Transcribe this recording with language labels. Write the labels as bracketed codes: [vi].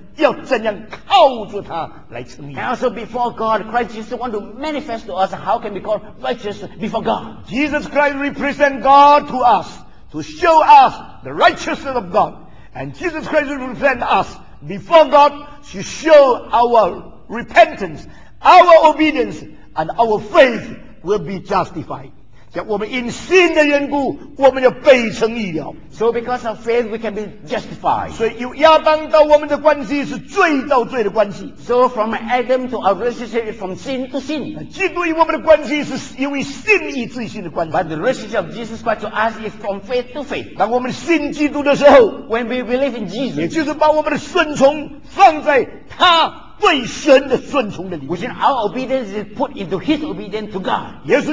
[zh] 耶稣基督要在神面前代表我们，向神显明我们要怎样靠着他来称义。 [en] And also before God, Christ Jesus want to manifest to us how can we call righteous before God. Jesus Christ represents God to us to show us the righteousness of God. And Jesus Christ represents us before God to show our repentance, our obedience, and our faith will be justified. [zh] 我们因信的缘故，我们就被称义了。 [en] So because of faith, we can be justified. [zh] 所以由亚当到我们的关系是罪到罪的关系。 [en] So from Adam to our relationship is from sin to sin. [zh] 基督与我们的关系是因为信义至信的关系。 [en] But the relationship of Jesus Christ to us is from faith to faith. [zh] 当我们信基督的时候， [en] When we believe in Jesus， [zh] 也就是把我们的顺从放在他。 [en] Which in our obedience is put into His obedience to God.